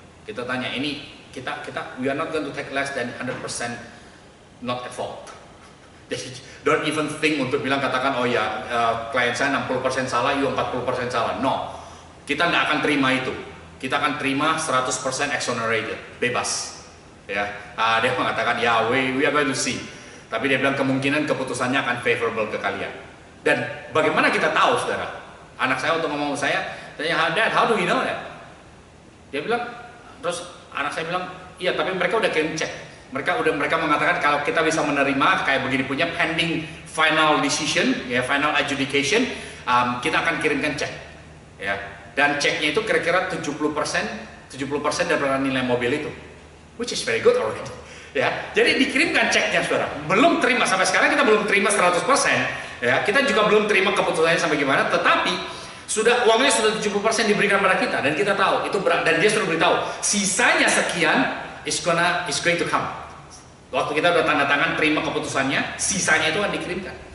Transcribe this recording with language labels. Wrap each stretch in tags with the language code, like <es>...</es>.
<id>Kita tanya ini kita</id> <en>we are not going to take less than 100% not at fault.</en> <id>Jadi</id> <en>don't even think</en> <id>untuk bilang katakan oh ya klien saya 60% salah, you 40% salah. No, kita nggak akan terima itu. Kita akan terima 100% exonerated, bebas. Ya, dia mengatakan ya</id> <en>we are going to see.</en> <id>Tapi dia bilang kemungkinan keputusannya akan favorable ke kalian. Dan bagaimana kita tahu, saudara? Anak saya untuk ngomong saya, tanya Dad,</id> <en>how do we know that?</en> <id>Dia bilang, terus anak saya bilang, iya tapi mereka udah kirim check. Mereka mengatakan kalau kita bisa menerima kayak begini punya</id> <en>pending final decision,</en> <id>ya final adjudication, kita akan kirimkan check. Ya, dan checknya itu kira-kira 70% daripada nilai mobil itu.</id> <en>Which is very good already.</en> <id>Ya, jadi dikirimkan ceknya saudara. Belum terima sampai sekarang, kita belum terima 100%. Ya, kita juga belum terima keputusannya sampai gimana. Tetapi sudah uangnya sudah 70% diberikan kepada kita dan kita tahu itu berat, dan dia sudah beritahu sisanya sekian</id> <en>is going to come.</en> <id>Waktu kita sudah tanda tangan terima keputusannya, sisanya itu akan dikirimkan.</id>